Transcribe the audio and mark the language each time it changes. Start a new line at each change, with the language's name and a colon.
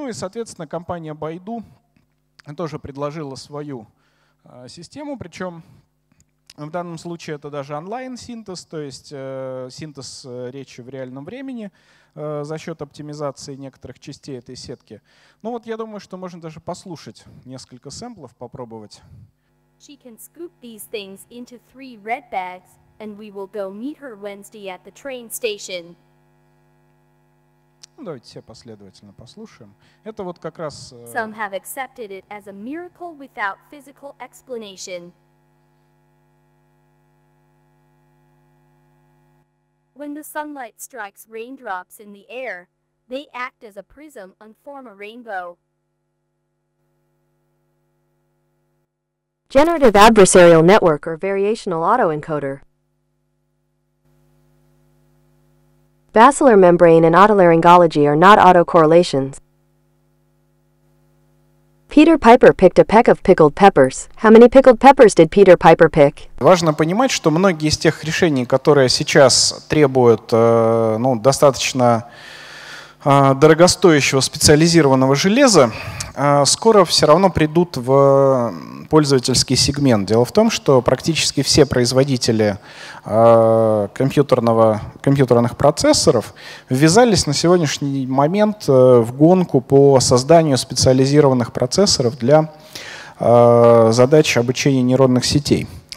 Russian: Соответственно, компания Baidu тоже предложила свою систему. Причем в данном случае это даже онлайн-синтез, то есть синтез речи в реальном времени за счет оптимизации некоторых частей этой сетки. Я думаю, что можно даже послушать несколько сэмплов, попробовать.
English: She can scoop these things into three red bags, and we will go meet her Wednesday at the train station.
Russian: Давайте все последовательно послушаем. Это вот как раз…
English: Some have accepted it as a miracle without physical explanation. When the sunlight strikes raindrops in the air, they act as a prism and form a rainbow. Generative adversarial network or variational autoencoder. Basilar membrane and otolaryngology are not autocorrelations. Peter Piper picked a peck of pickled peppers. How many pickled peppers did Peter Piper pick?
Russian: Важно понимать, что многие из тех решений, которые сейчас требуют достаточно дорогостоящего специализированного железа, скоро все равно придут в пользовательский сегмент. Дело в том, что практически все производители компьютерных процессоров ввязались на сегодняшний момент в гонку по созданию специализированных процессоров для задач обучения нейронных сетей.